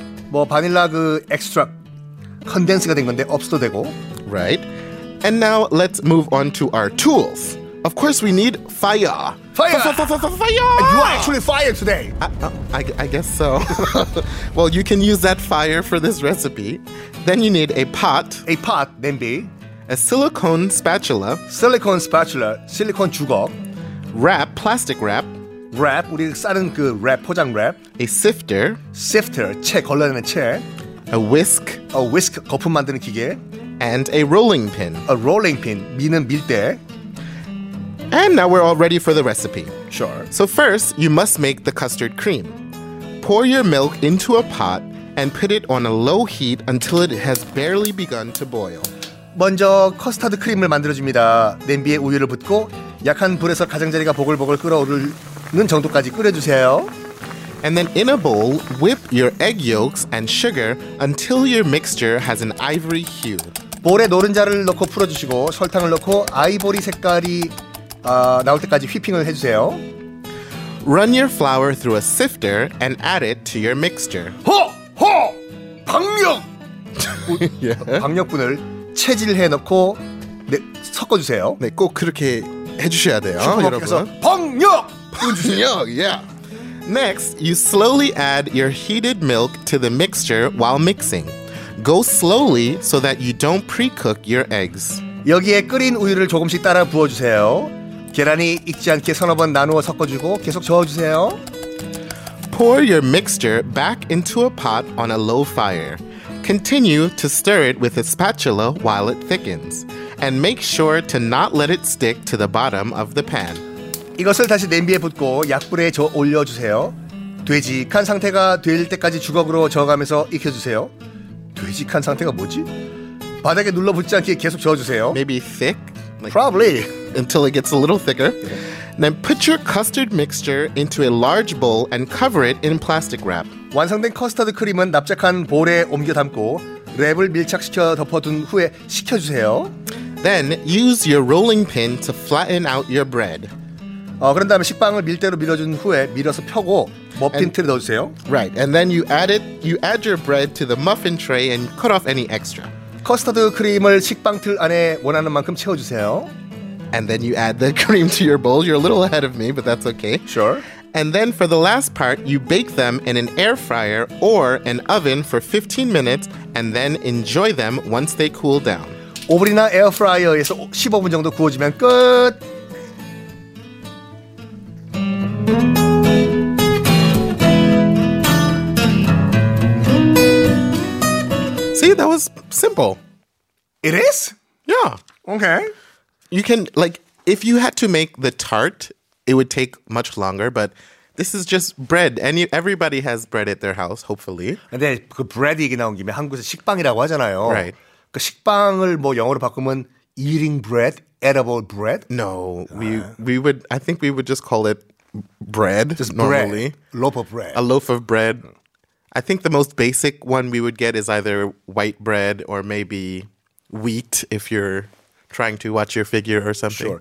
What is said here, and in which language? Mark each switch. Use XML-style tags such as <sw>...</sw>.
<ko>뭐 바닐라 그 엑스트라 컨덴스가 된 건데 없어도 되고.</ko> <en>Right. And now let's move on to our tools. Of course we need fire. You are actually fire today. I guess so. Well, you can use that fire for this recipe. Then you need a pot,</en> <ko>냄비.</ko> <en>A silicone spatula,</en> <ko>실리콘 주걱.</ko> <en>Plastic wrap.</en> <ko>Wrap, 우리 싸는 그 랩, 포장 랩.</ko> <en>A sifter,</en> <ko>채, 걸러내는 채.</ko> <en>A whisk,</en> <ko>거품 만드는 기계.</ko> <en>And a rolling pin. A rolling pin,</en> <ko>미는 밀대.</ko> <en>And now we're all ready for the recipe. Sure. So first, you must make the custard cream. Pour your milk into a pot and put it on a low heat until it has barely begun to boil.</en> <ko>먼저 커스터드 크림을 만들어줍니다. 냄비에 우유를 붓고 약한 불에서 가장자리가 보글보글 끓어오르는 정도까지 끓여주세요.</ko> <en>And then in a bowl, whip your egg yolks and sugar until your mixture has an ivory hue.</en> <ko>볼에 노른자를 넣고 풀어주시고 설탕을 넣고 아이보리 색깔이 나올 때까지 휘핑을 해주세요.</ko> <en>Run your flour through a sifter and add it to your mixture.</en> <ko>허! 허! 박력! 박력분을 체질해 넣고 네, 섞어주세요. 네, 꼭 그렇게 해주셔야 돼요, 여러분. 박력! 박력, yeah.</ko> <en>Next, you slowly add your heated milk to the mixture while mixing. Go slowly so that you don't pre-cook your eggs.</en> <ko>여기에 끓인 우유를 조금씩 따라 부어주세요. 계란이 익지 않게 서너 번 나누어 섞어주고 계속 저어주세요.</ko> <en>Pour your mixture back into a pot on a low fire. Continue to stir it with a spatula while it thickens. And make sure to not let it stick to the bottom of the pan.</en> <ko>이것을 다시 냄비에 붓고 약불에 저 올려주세요. 되직한 상태가 될 때까지 주걱으로 저어가면서 익혀주세요. 되직한 상태가 뭐지? 바닥에 눌러붙지 않게 계속 저어주세요.</ko> <en>Maybe thick? Like, probably. Until it gets a little thicker. Yeah. Then put your custard mixture into a large bowl and cover it in plastic wrap.</en> <ko>완성된 커스터드 크림은 납작한 볼에 옮겨 담고 랩을 밀착시켜 덮어둔 후에 식혀주세요.</ko> <en>Then use your rolling pin to flatten out your bread.</en> <ko>그런 다음에 식빵을 밀대로 밀어준 후에 밀어서 펴고 머핀 틀에 넣어주세요.</ko> <en>Right, and then you add your bread to the muffin tray and cut off any extra.</en> <ko>커스터드 크림을 식빵 틀 안에 원하는 만큼 채워주세요.</ko> <en>And then you add the cream to your bowl. You're a little ahead of me, but that's okay. Sure. And then for the last part, you bake them in an air fryer or an oven for 15 minutes and then enjoy them once they cool down.</en> <ko>오븐이나 에어프라이어에서 15분 정도 구워주면 끝!</ko> <en>See, that was simple. It is? Yeah. Okay. You can, like, if you had to make the tart, it would take much longer, but this is just bread. Everybody has bread at their house, hopefully.</en> <ko>근데 그 bread 얘기 나온 김에 한국에서 식빵이라고 하잖아요.</ko> <en>Right.</en> <ko>그 식빵을 뭐 영어로 바꾸면</ko> <en>eating bread, edible bread? No, I think we would just call it bread. Just normally. Bread. Loaf of bread. A loaf of bread. I think the most basic one we would get is either white bread or maybe wheat if you're trying to watch your figure or something.</en>